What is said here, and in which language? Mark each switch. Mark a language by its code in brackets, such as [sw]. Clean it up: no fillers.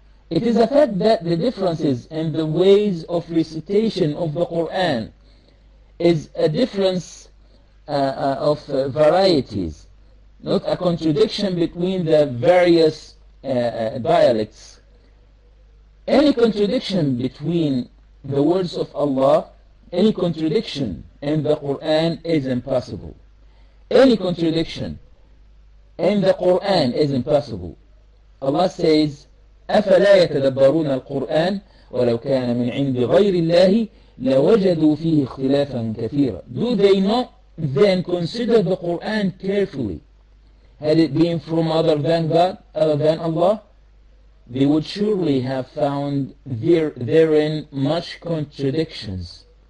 [en] It is a fact that the differences in the ways of recitation of the Quran is a difference of varieties, not a contradiction between the various dialects. Any contradiction between the words of Allah, any contradiction in the Quran is impossible. Any contradiction in the Quran is impossible. Allah says, [ar] أَفَلَا يَتَدَبَّرُونَ الْقُرْآنَ وَلَوْ كَانَ مِنْ عِنْدِ غَيْرِ اللَّهِ لَوَجَدُوا فِيهِ اخْتِلَافًا كَثِيرًا. [en] Do they not then consider the Quran carefully? Had it been from other than God, other than Allah, they would surely have found therein much contradictions.